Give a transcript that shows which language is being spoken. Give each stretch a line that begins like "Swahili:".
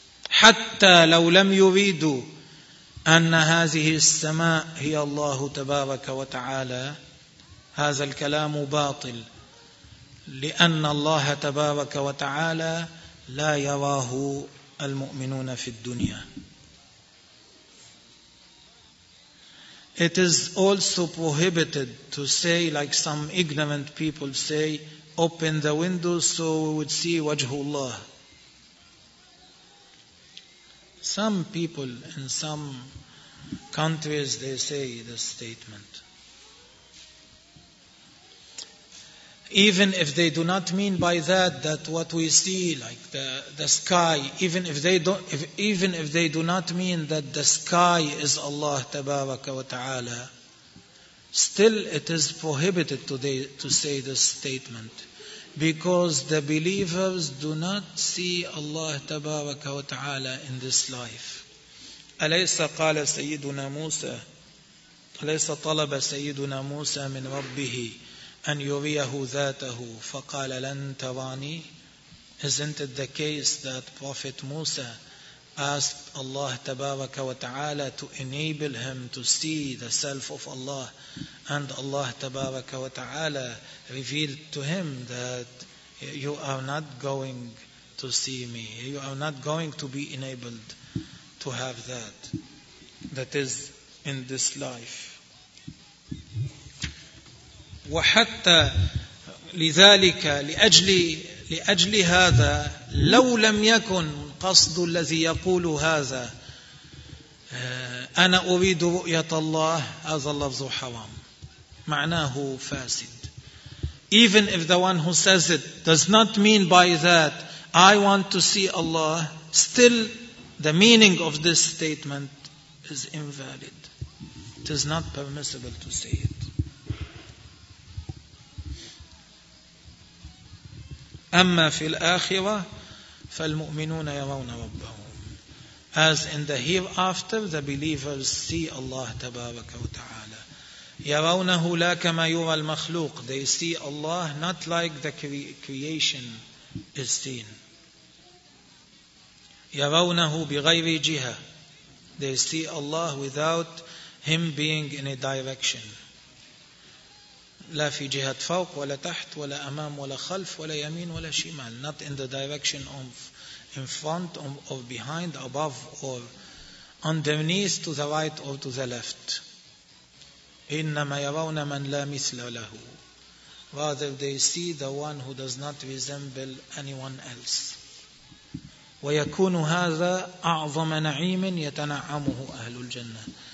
Arabic: حتى لو لم يريدوا أن هذه السماء هي الله تبارك وتعالى, هذا الكلام باطل, لأن الله تبارك وتعالى لا يراه المؤمنون في الدنيا.
English: It is also prohibited to say, like some ignorant people say, open the windows so we would see وجه الله. Some people in some countries they say this statement. Even if they do not mean by that what we see, like the sky, even if they do not mean that the sky is Allah Tabaraka wa Ta'ala, still it is prohibited today to say this statement, because the believers do not see Allah Tabaraka wa Ta'ala in this life.
Arabic: أليس قال سيدنا موسى, أليس طلب سيدنا موسى من ربه أن يريه ذاته فقال لن تراني.
English: Isn't it the case that Prophet Musa asked Allah تبارك وتعالى to enable him to see the self of Allah, and Allah تبارك وتعالى revealed to him that you are not going to see me, you are not going to be enabled to have that, that is in this life.
Arabic: وحتى لذلك لأجل هذا, لو لم يكن قصد الذي يقول هذا أنا أريد رؤية الله, هذا اللفظ حرام, معناه فاسد.
English: Even if the one who says it does not mean by that I want to see Allah, still the meaning of this statement is invalid. It is not permissible to say it.
Arabic: أما في الآخرة فالمؤمنون يرون ربهم.
English: As in the hereafter, the believers see Allah تبارك وتعالى.
Arabic: يرونه لا كما يرى المخلوق.
English: They see Allah not like the creation is seen.
Arabic: يرونه بغير جهة.
English: They see Allah without Him being in a direction.
Arabic: لا في جهة فوق ولا تحت ولا أمام ولا خلف ولا يمين ولا شمال.
English: Not in the direction of in front or behind, above or underneath, to the right or to the left.
Arabic: إنما يرون من لا مثل له.
English: Rather they see the one who does not resemble anyone else.
Arabic: ويكون هذا أعظم نعيم يتنعمه أهل الجنة.